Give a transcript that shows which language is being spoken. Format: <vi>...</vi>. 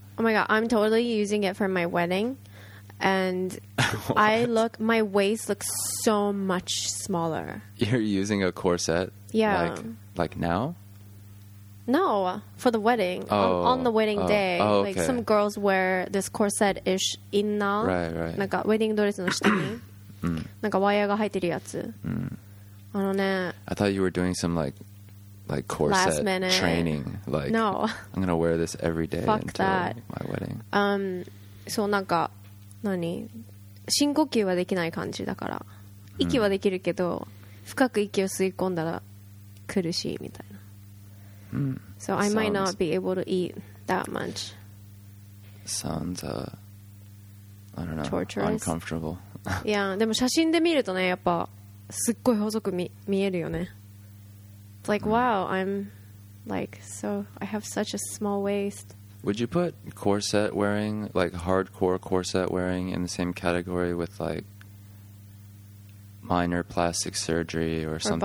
<en>Oh my god, I'm totally using it for my wedding and my waist looks so much smaller. You're using a corset? Yeah. Like now? No, for the wedding. On the wedding day. Oh, okay. Like some girls wear this corset ish in now. Right.</en> <ja>ウェディングドレスの下に。なんかワイヤーが入ってるやつ。あのね。</ja> <en>I thought you were doing some like corset last minute training. Like, no. I'm gonna wear this every day. Fuck until that. My wedding.</en> <ja>そうなんか、何？深呼吸はできない感じだから。息はできるけど、深く息を吸い込んだら苦しいみたいな。</ja> <en>So I might not be able to eat that much. Sounds, I don't know, torturous. Uncomfortable. Yeah,</en> <ja>でも写真で見るとね、やっぱすっごい細く見えるよね。</ja> <en>It's like, wow, I'm like, so I have such a small waist. Would you put corset wearing, like hardcore corset wearing, in the same category with like minor plastic surgery or something?</en>